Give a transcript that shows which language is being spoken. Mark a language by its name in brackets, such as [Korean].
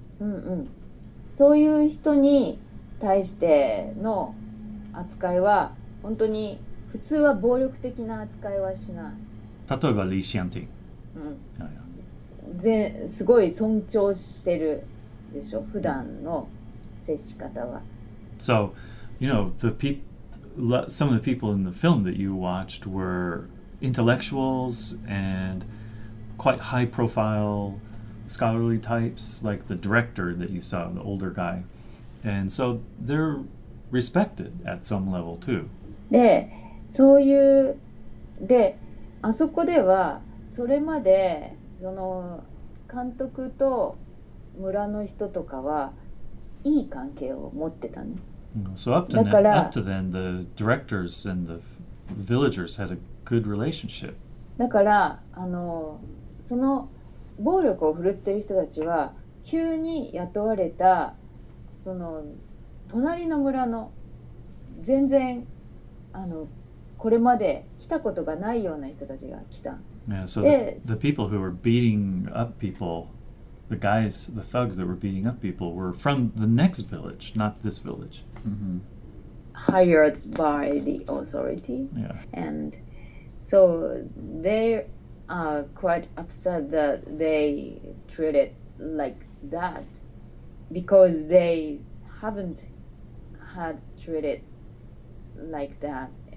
[Japanese] うんうん、そういう人に対しての扱いは本当に普通は暴力的な扱いはしない。例えばリー・シアンティン、すごい尊重してるでしょ、普段の接し方は。 [English] So, you know, some of the people in the film that you watched were intellectuals and quite high profile scholarly types, like the director that you saw, the older guy. And so they're respected at some level too. [Japanese] で、そういう、で、あそこではそれまでその監督と村の人とかはいい関係を持ってたの。 [English] So up to then, the directors and the villagers had a good relationship. [Japanese] だからあのその暴力を振るってる人たちは急に雇われたその隣の村の全然あのこれまで来たことがないような人たちが来た。 [English] Yeah, so the people who were beating up people, the guys, the thugs that were beating up people were from the next village, not this village. Mm-hmm. Hired by the authority. Yeah. And so they are quite upset that they treated like that because they haven't had treated like that.